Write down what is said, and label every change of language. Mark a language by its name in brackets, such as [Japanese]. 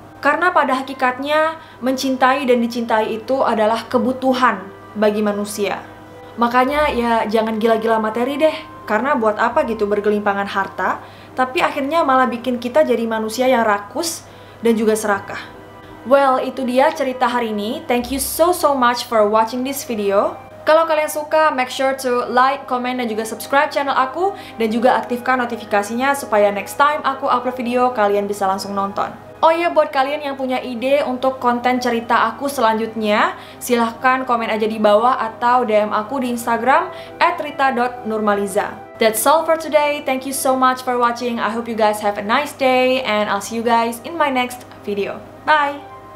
[Indonesian] Karena pada hakikatnya mencintai dan dicintai itu adalah kebutuhan bagi manusia. Makanya ya jangan gila-gila materi deh, karena buat apa gitu bergelimpangan harta tapi akhirnya malah bikin kita jadi manusia yang rakus dan juga serakah. Well, itu dia cerita hari ini. [English] Thank you so much for watching this video. [Indonesian] Kalau kalian suka, [English] make sure to like, comment, [Indonesian] dan juga subscribe channel aku. Dan juga aktifkan notifikasinya supaya [English] next time [Indonesian] aku upload video, kalian bisa langsung nonton. Oh iya, buat kalian yang punya ide untuk konten cerita aku selanjutnya, silahkan komen aja di bawah atau DM aku di Instagram @rita.nurmaliza. [English] That's all for today. Thank you so much for watching. I hope you guys have a nice day. And I'll see you guys in my next video. Bye!